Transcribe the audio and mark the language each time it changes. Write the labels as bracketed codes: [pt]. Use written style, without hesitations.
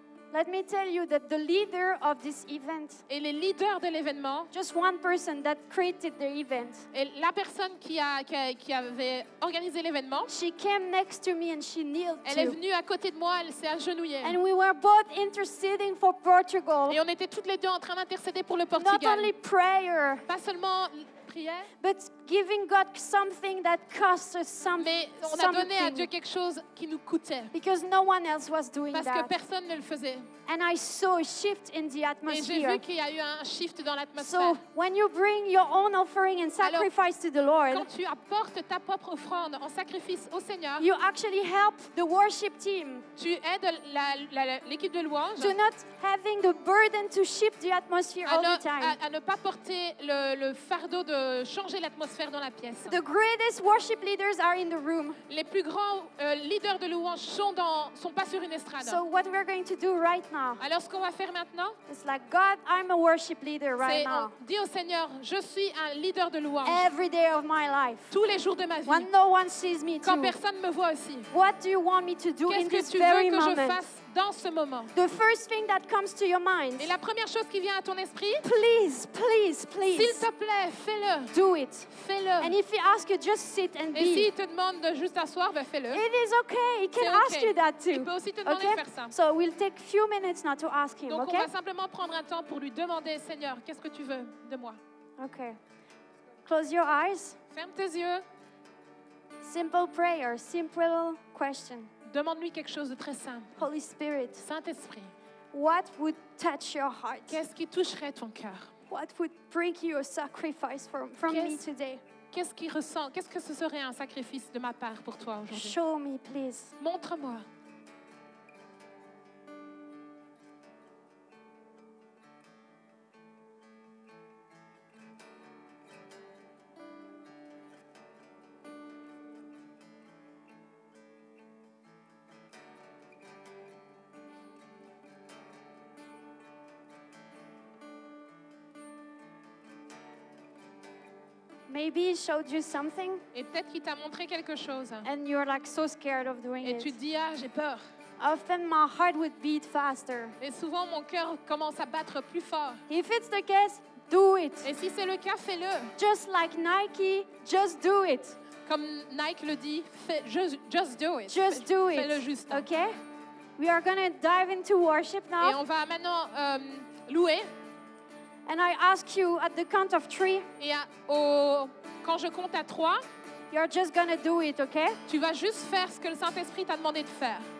[en] Let me tell you that the leader of this event. [fr] Et les leaders de l'événement. [en] Just one person that created the event. [fr] Et la personne qui avait organisé l'événement. [en] She came next to me and she kneeled. [fr] Elle est venue à côté de moi, elle s'est agenouillée. [en] And we were both interceding for Portugal. [fr] Et on était toutes les deux en train d'intercéder pour le Portugal. [en] Not only prayer. [fr] Pas seulement prière. [en] But giving God something that cost us something. [fr] Mais on a donné à Dieu quelque chose qui nous coûtait. [en] Because no one else was doing [fr] parce [en] that. [fr] Parce que personne ne le faisait. [en] And I saw a shift in the atmosphere. [fr] Et j'ai vu qu'il y a eu un shift dans l'atmosphère. [en] So when you bring your own offering and sacrifice to the Lord, [fr] quand tu apportes ta propre offrande en sacrifice au Seigneur, [en] you actually help the worship team. [fr] Tu aides l'équipe de louange. [en] To not having the burden to shift the atmosphere all the time. [fr] À ne pas porter le fardeau de changer l'atmosphère dans la pièce. [en] The greatest worship leaders are in the room. [fr] Les plus grands leaders de louange sont pas sur une estrade. [en] So what we're going to do right now? [fr] Alors ce qu'on va faire maintenant? [en] It's like God, I'm a worship leader right now. [fr] Dis au Seigneur, je suis un leader de louange. [en] Every day of my life. [fr] Tous les jours de ma vie. [en] When no one sees me too. [fr] Quand personne me voit aussi. [en] What do you want me to do in this very moment? [fr] Qu'est-ce que tu veux que je fasse dans ce moment? [en] The first thing that comes to your mind. [fr] Et la première chose qui vient à ton esprit? [en] Please, please, please. [fr] S'il te plaît, fais-le. [en] Do it. [fr] Fais-le. [en] And if he asks you, just sit and be. [fr] Et s'il te demande de juste asseoir, ben fais-le. [en] It is okay. He can ask you that too. [fr] Il peut aussi te demander de faire ça. [en] So we'll take few minutes now to ask him. [fr] Donc [en] okay? [fr] On va simplement prendre un temps pour lui demander, Seigneur, qu'est-ce que tu veux de moi? [en] Okay. Close your eyes. [fr] Ferme tes yeux. [en] Simple prayer. Simple question. [fr] Demande-lui quelque chose de très simple. [en] Holy Spirit. [fr] Saint-Esprit. [en] What would touch your heart? [fr] Qu'est-ce qui toucherait ton cœur? [en] What would bring you a sacrifice from me today? [fr] Qu'est-ce qui ressent? Qu'est-ce que ce serait un sacrifice de ma part pour toi aujourd'hui? [en] Show me, please. [fr] Montre-moi. [en] Maybe he showed you something. [fr] Et peut-être qu'il t'a montré quelque chose. [en] And you're like so scared of doing it. [fr] Et tu dis, ah, j'ai peur. [en] Often my heart would beat faster. [fr] Et souvent mon cœur commence à battre plus fort. [en] If it's the case, do it. [fr] Et si c'est le cas, fais-le. [en] Just like Nike, just do it. [fr] Comme Nike le dit, fais, [en] just do it. Just do it. [fr] Fais-le juste. [en] Okay? We are going to dive into worship now. [fr] Et on va maintenant louer. [en] And I ask you at the count of three. [fr] Et à, au, quand je compte à trois. [en] You're just going to do it, okay? [fr] Tu vas juste faire ce que le Saint-Esprit t'a demandé de faire.